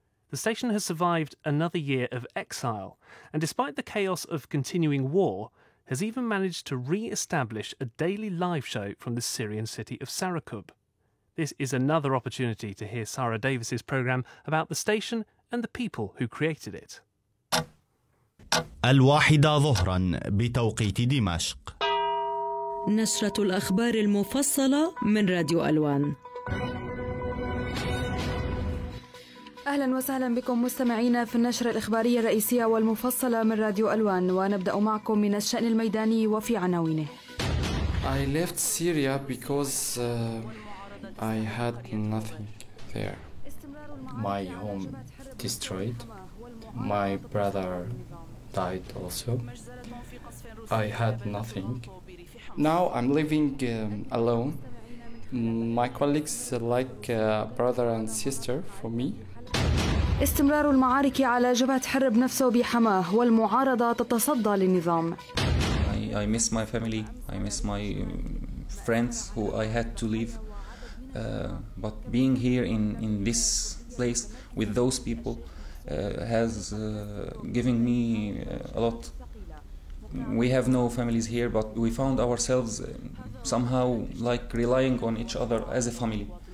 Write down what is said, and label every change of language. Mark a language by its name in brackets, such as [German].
[English] The station has survived another year of exile, and despite the chaos of continuing war, has even managed to re-establish a daily live show from the Syrian city of Sarakub. This is another opportunity to hear Sarah Davis's programme about the station and the people who created it. [Arabic] الواحدة ظهرا بتوقيت دمشق. نشرة الأخبار المفصلة من راديو ألوان. أهلا وسهلا بكم مستمعينا في النشرة الإخبارية الرئيسية والمفصلة من راديو ألوان، ونبدأ معكم من الشأن الميداني وفي عناوينه. [English] I left Syria because I had nothing there. My home destroyed. My brother died also. I had nothing. Now I'm living alone. My colleagues like brother and sister for me. [Arabic] استمرار المعارك على جبهة حرب نفسه بحماه والمعارضة تتصدى للنظام. [English] I miss my family. I miss my friends who I had to leave. But being here in this place with those people has given me a lot. We have no families here, but we found ourselves somehow like relying on each other as a family.